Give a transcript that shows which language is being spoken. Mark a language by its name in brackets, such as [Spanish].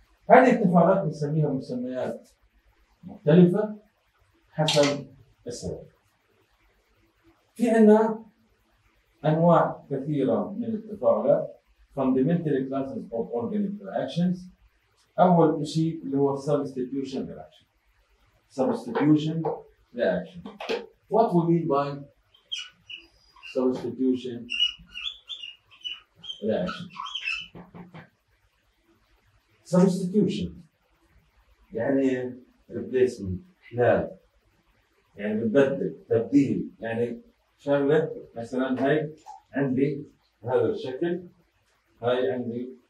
[Arabic] هذه التفاعلات نسميها مسميات مختلفة حسب السبب. في عنا أنواع كثيرة من التفاعلات [English] fundamental classes of organic reactions. [Arabic] أول شيء اللي هو substitution reaction. [English] Substitution reaction. What we mean by substitution reaction? [Arabic] Substitution يعني replacement إحلال يعني بنبدل تبديل يعني شغلة مثلا هاي عندي هذا الشكل هاي عندي